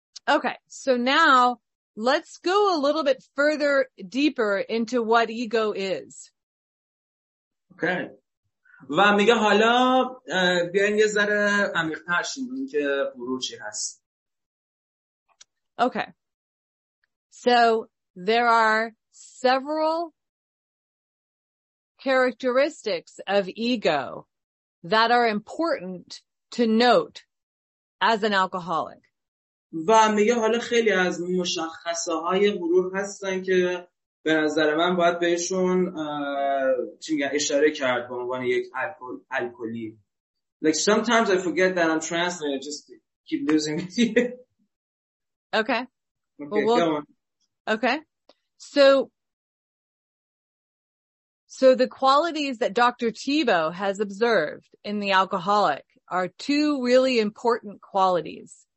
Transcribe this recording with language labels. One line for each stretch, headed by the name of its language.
English: Okay, so now let's go a little bit further, deeper into what ego is. Okay.
Persian: و میگه حالا بیاین یه ذره عمیق‌تر شیم این که غرور چی هست.
English: Okay. So there are several characteristics of ego that are important to note as an alcoholic.
Persian: و میگه حالا خیلی از مشخصه های غرور هستن که به نظر من باید بهشون چی میگن اشاره کرد به عنوان یک الکلی.
English: Like sometimes I forget that I'm trans and I just keep losing it. Okay. Okay, well, come on. Okay. So the qualities that Dr. Thibeau has observed in the alcoholic are two really important qualities.